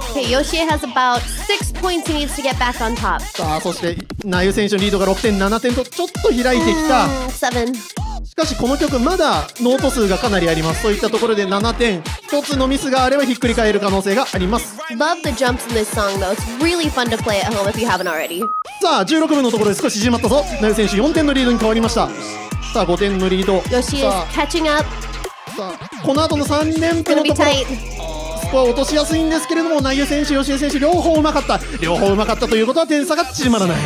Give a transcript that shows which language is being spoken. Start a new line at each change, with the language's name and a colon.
English: ヨシエ has about 6 points he needs to get back on top.
Japanese: さあ、そしてナユ選手のリードが6点7点とちょっと開いてきた。しかしこの曲まだノート数がかなりあります。そういったところで7点、1つのミスがあればひっくり返る可能性があります。
English: Love the jumps in this song though. It's really fun to play at home if you haven't already.
Japanese: さあ、16分のところで少し縮まったぞ。ナユ選手4点のリードに変わりました。さあ、5点のリード。
English: ヨシエ is catching up.
Japanese: さあ、この後の3連覇のところ、ここは落としやすいんですけれども、内藤選手、吉江選手両方うまかった。両方うまかったということは点差が縮まらない。